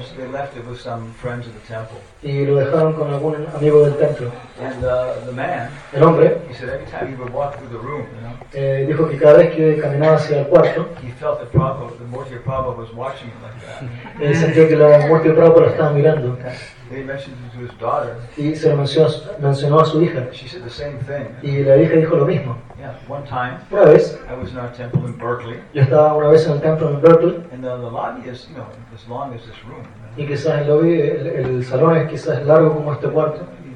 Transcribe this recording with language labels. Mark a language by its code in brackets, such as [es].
[en] So they left it with some friends of the temple. [es] Y lo dejaron con algún amigo del templo. [en] And the man, [es] el hombre, [en] he said every time he would walk through the room, you know, [es] dijo que cada vez que caminaba hacia el cuarto, [en] he felt the Prabhupada, the murti of Prabhupada was watching him like that. [es] Él sentía que la murti de Prabhupada estaba mirando. [en] They mentioned it to his daughter. [es] Y se lo mencionó a su hija. [en] She said the same thing. [es] Y la hija dijo lo mismo. [en] Yeah, one time. [es] Una vez. [en] I was in our temple in Berkeley. [es] Yo estaba una vez en el templo en Berkeley. [en] And the lobby is, you know, as long as this room. [es] Y quizás el lobby, el salón es quizás largo como este cuarto.